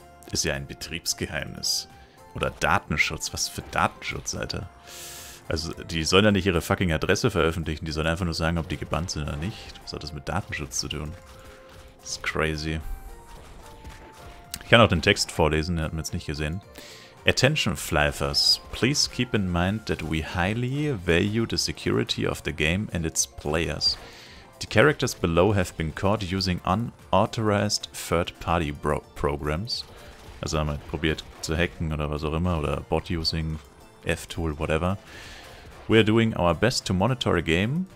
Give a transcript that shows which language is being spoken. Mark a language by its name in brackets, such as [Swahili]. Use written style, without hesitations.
[German] Ist ja ein Betriebsgeheimnis. Oder Datenschutz, was für Datenschutz, Alter. Also, die sollen ja nicht ihre fucking Adresse veröffentlichen, die sollen einfach nur sagen, ob die gebannt sind oder nicht. Was hat das mit Datenschutz zu tun? Das ist crazy. Ich kann auch den Text vorlesen, den hatten wir jetzt nicht gesehen. [English] Attention Flyfers, please keep in mind that we highly value the security of the game and its players. The characters below have been caught using unauthorized third-party programs. [German] Also haben wir probiert zu hacken oder was auch immer, oder Bot-Using, F-Tool, whatever. [English] We are doing our best to monitor a game.